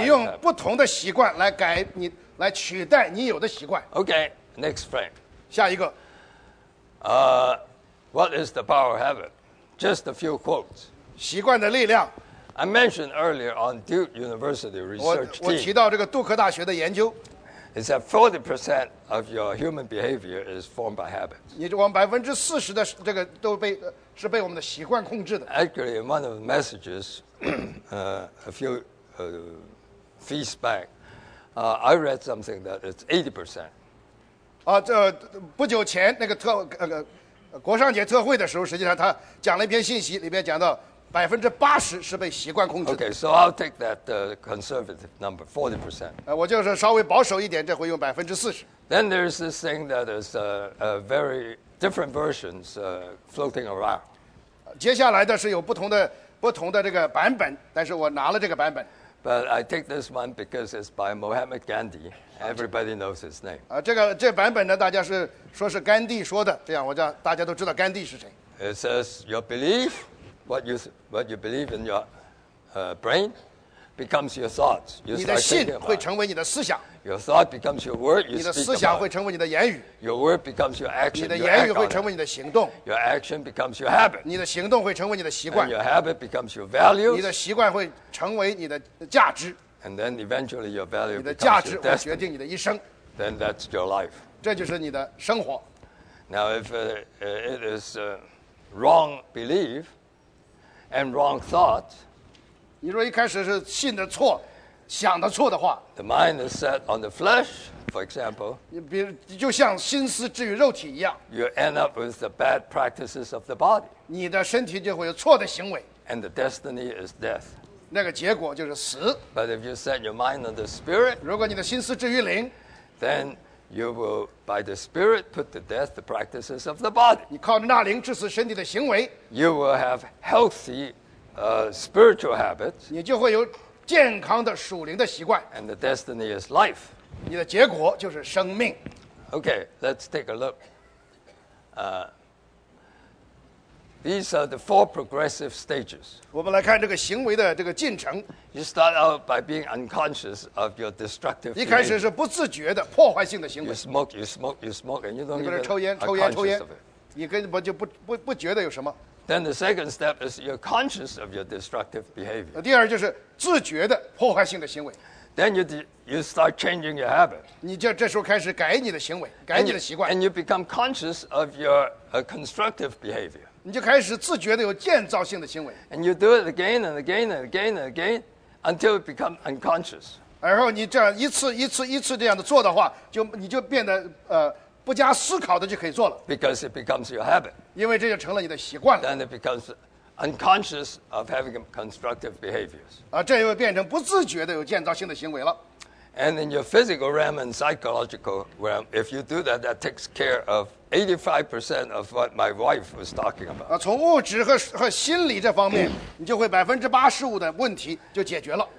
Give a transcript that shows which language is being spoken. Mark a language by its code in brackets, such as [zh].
[zh] 你用不同的习惯来取代你有的习惯。 [en] Okay, next frame. [zh] 下一个。 [en] What is the power of habit? Just a few quotes. [zh] 习惯的力量。 [en] I mentioned earlier on Duke University research team. [zh] 我提到这个杜克大学的研究。 [en] It's that 40% of your human behavior is formed by habits. [zh] 你我们40%的这个都被是被我们的习惯控制的。 [en] Actually, in one of the messages, a few feet back, I read something that it's 80%. [zh] 这不久前那个国商节特会的时候，实际上他讲了一篇信息，里面讲到80%是被习惯控制的。 [en] Okay, so I'll take that conservative number, 40%. [zh] 我就是稍微保守一点，这回用40%。 [en] Then there's this thing that is a very different versions floating around. [zh] 接下来的是有不同的这个版本，但是我拿了这个版本。 [en] But I take this one because it's by Mohammed Gandhi. Everybody knows his name. [zh] 这版本呢，大家是说是甘地说的，这样我叫大家都知道甘地是谁。 [en] It says your belief. What you believe in your brain becomes your thoughts. You start thinking. [zh] 你的信会成为你的思想。 [en] Your thought becomes your word. You speak. [zh] 你的思想会成为你的言语。 [en] Your word becomes your action. [zh] 你的言语会成为你的行动。 [en] Your action becomes your habit. [zh] 你的行动会成为你的习惯。 [en] And your habit becomes your values. [zh] 你的习惯会成为你的价值。 [en] And then eventually your value becomes your destiny. [zh] 你的价值会决定你的一生。 [en] Then that's your life. [zh] 这就是你的生活。 [en] Now if it is a wrong belief. And wrong thought. [zh] 你说一开始是信的错，想的错的话。 [en] The mind is set on the flesh, for example. [zh] 你比如就像心思置于肉体一样。 [en] You end up with the bad practices of the body. [zh] 你的身体就会有错的行为。 [en] And the destiny is death. [zh] 那个结果就是死。 [en] But if you set your mind on the spirit, [zh] 如果你的心思置于灵 [en] then you will, by the spirit, put to death the practices of the body. [zh] 你靠着那灵致死身体的行为。 [en] You will have healthy, spiritual habits. [zh] 你就会有健康的属灵的习惯。 [en] And the destiny is life. [zh] 你的结果就是生命。 [en] Okay, let's take a look. These are the four progressive stages. [zh] 我们来看这个行为的这个进程。 [en] You start out by being unconscious of your destructive. [zh] 一开始是不自觉的破坏性的行为。 [en] You smoke, and you don't even conscious of it. [zh] 你根本就不觉得有什么。 [en] Then the second step is you're conscious of your destructive behavior. [zh] 第二就是自觉的破坏性的行为。 [en] Then you start changing your habit. [zh] 你就这时候开始改你的行为，改你的习惯。 [en] And you become conscious of your constructive behavior. [zh] 你就开始自觉的有建造性的行为。 [en] And you do it again and again and again and again until you become unconscious. [zh] 然后你这样一次一次一次这样的做的话，就你就变得不加思考的就可以做了。 [en] Because it becomes your habit. [zh] 因为这就成了你的习惯了。 [en] Then it becomes unconscious of having constructive behaviors. [zh] 啊，这又变成不自觉的有建造性的行为了。 [en] And in your physical realm and psychological realm, if you do that, that takes care of 85% of what my wife was talking about. [zh] 从物质 和心理这方面，你就会85%的问题就解决了。